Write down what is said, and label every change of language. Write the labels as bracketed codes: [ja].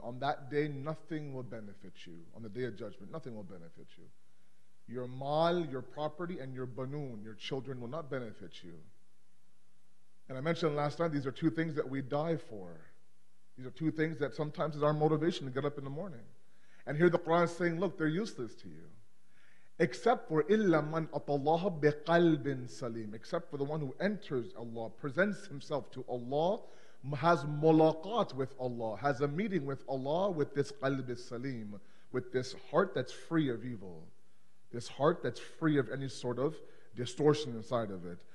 [en] On that day, nothing will benefit you. On the Day of Judgment, nothing will benefit you. Your mal, your property, and your banoon, your children, will not benefit you. And I mentioned last night, these are two things that we die for. These are two things that sometimes is our motivation to get up in the morning. And here the Quran is saying, look, they're useless to you. Except for [ar] إِلَّا مَنْ أَطَى اللَّهَ بِقَلْبٍ سَلِيمٍ. [en] Except for the one who enters Allah, presents himself to Allah, has mulaqat with Allah, has a meeting with Allah, with this [ar] قلب السليم, [en] with this heart that's free of evil, this heart that's free of any sort of distortion inside of it.